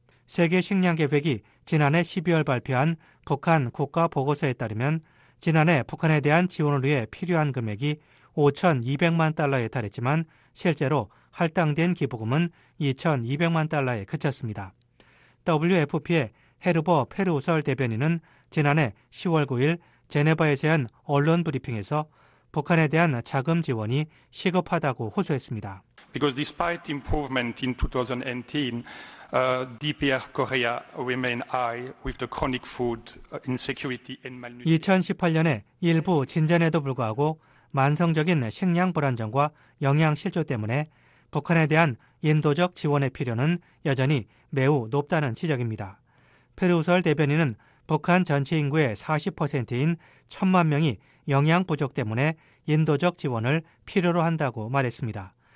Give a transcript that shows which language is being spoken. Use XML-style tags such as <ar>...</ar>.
<ko>세계 식량 계획이 지난해 12월 발표한 북한 국가 보고서에 따르면 지난해 북한에 대한 지원을 위해 필요한 금액이 5,200만 달러에 달했지만 실제로 할당된 기부금은 2,200만 달러에 그쳤습니다. WFP의 헤르버 페르우설 대변인은 지난해 10월 9일 제네바에서 한 언론 브리핑에서 북한에 대한 자금 지원이 시급하다고 호소했습니다.</ko> <en>Because despite improvement in 2019, DPR Korea remain high with the chronic food insecurity and malnutrition.</en> <ko>2018년에 일부 진전에도 불구하고 만성적인 식량 불안정과 영양 실조 때문에 북한에 대한 인도적 지원의 필요는 여전히 매우 높다는 지적입니다. 페르우설 대변인은 북한 전체 인구의 40%인 1천만 명이 영양 부족 때문에 인도적 지원을 필요로 한다고 말했습니다.</ko>